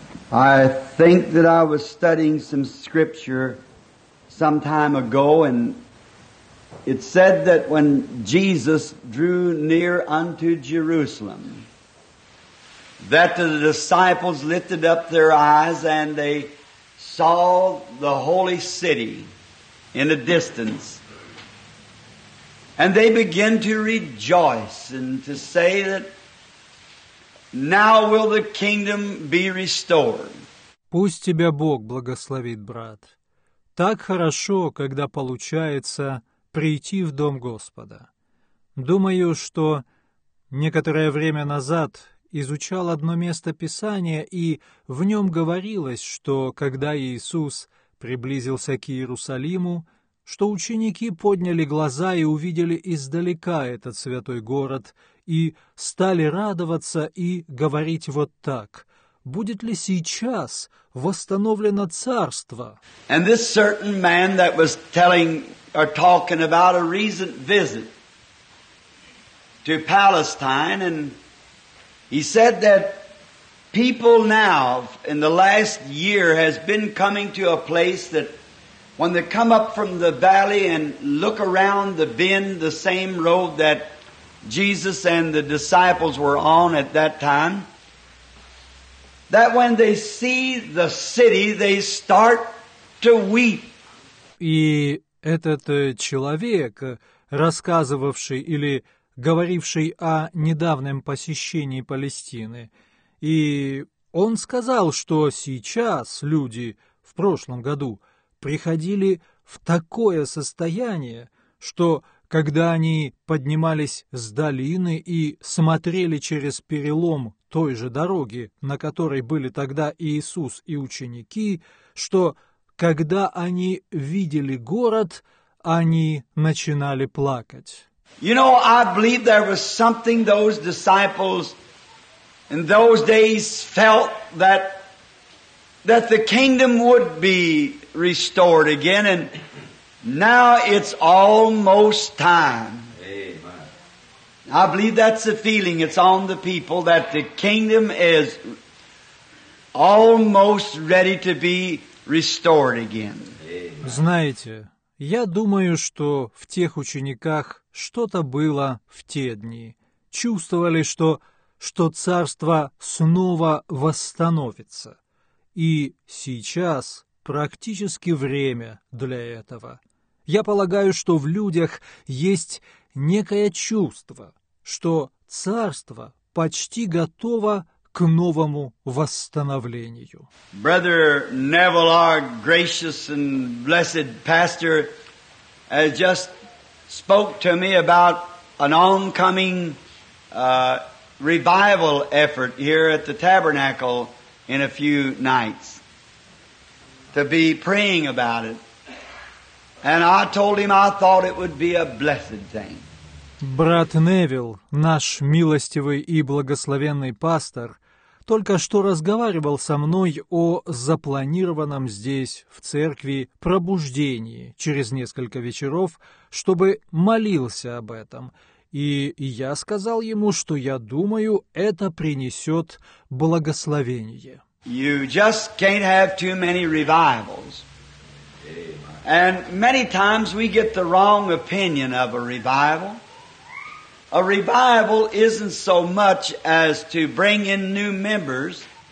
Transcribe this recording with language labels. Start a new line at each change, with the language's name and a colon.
English: I think that I was studying some scripture some time ago, and it said that when Jesus drew near unto Jerusalem, that the disciples lifted up their eyes and they saw the holy city in the distance. And they begin to rejoice and to say that now will the kingdom be restored.
Russian: Пусть тебя Бог благословит, брат. Так хорошо, когда получается прийти в дом Господа. Думаю, что некоторое время назад изучал одно место Писания, и в нем говорилось, что когда Иисус приблизился к Иерусалиму, что ученики подняли глаза и увидели издалека этот святой город и стали радоваться и говорить вот так: «Будет ли сейчас восстановлено царство?»
English: And this certain man that was telling or talking about a recent visit to Palestine, and he said that people now in the last year has been coming to a place that when they come up from the valley and look around the bend, the same road that Jesus and the disciples were on at that time, that when they see the city, they start to weep.
Russian: И этот человек, рассказывавший или говоривший о недавнем посещении Палестины, и он сказал, что сейчас люди в прошлом году приходили в такое состояние, что когда они поднимались с долины и смотрели через перелом той же дороги, на которой были тогда Иисус и ученики, что когда они видели город, они начинали плакать.
English: You know, I believe there was something those disciples in those days felt that the kingdom would be restored again, and now it's almost time. Amen. I believe that's the feeling it's on the people, that the kingdom is almost ready to be restored again. Amen.
Russian: Знаете, я думаю, что в тех учениках что-то было в те дни. Чувствовали, что царство снова восстановится. И сейчас практически время для этого. Я полагаю, что в людях есть некое чувство, что царство почти готово к новому восстановлению.
English: Brother Neville, our gracious and blessed pastor, just spoke to me about an oncoming revival effort here at the tabernacle in a few nights, to be praying about it. And I told him I thought it would be a blessed thing.
Russian: Брат Невилл, наш милостивый и благословенный пастор, только что разговаривал со мной о запланированном здесь, в церкви, пробуждении через несколько вечеров, чтобы молился об этом. И я сказал ему, что я думаю, это принесет благословение.
English: You just can't have too many revivals. And many times we get the wrong opinion of a revival. A revival isn't so much as to bring in new members,